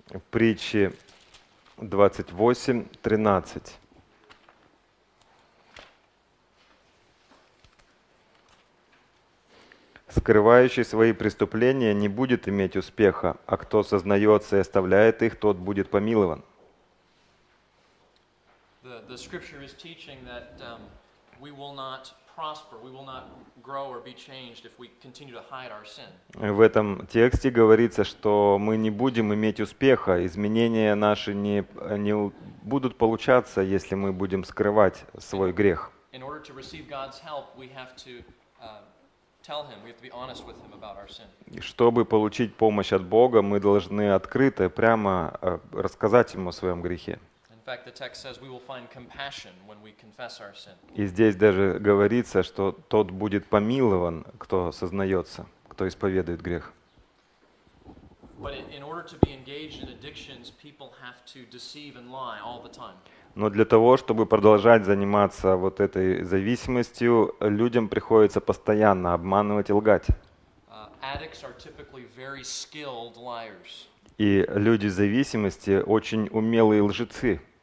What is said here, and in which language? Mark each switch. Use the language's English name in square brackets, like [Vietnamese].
[Russian] Притчи 28, 13. Скрывающий свои преступления не будет иметь успеха, а кто сознается и оставляет их, тот будет помилован. [English] The scripture is teaching that we will not prosper, we will not grow or be changed if we continue to hide our sin. [Russian] В этом тексте говорится, что мы не будем иметь успеха, изменения наши не будут получаться, если мы будем скрывать свой грех. [English] In order to receive God's help, we have to tell him, we have to be honest with him about our sin. [Russian] Чтобы получить помощь от Бога, мы должны открыто, прямо рассказать ему о своем грехе. [English] In fact, the text says we will find compassion when we confess our sin. [Russian] И здесь даже говорится, что тот будет помилован, кто сознается, кто исповедует грех. [English] But in order to be engaged in addictions, people have to deceive and lie all the time. [Russian] Но для того, чтобы продолжать заниматься вот этой зависимостью, людям приходится постоянно обманывать и лгать. [English] Addicts are typically very skilled liars. [Russian] И люди зависимости очень умелые лжецы.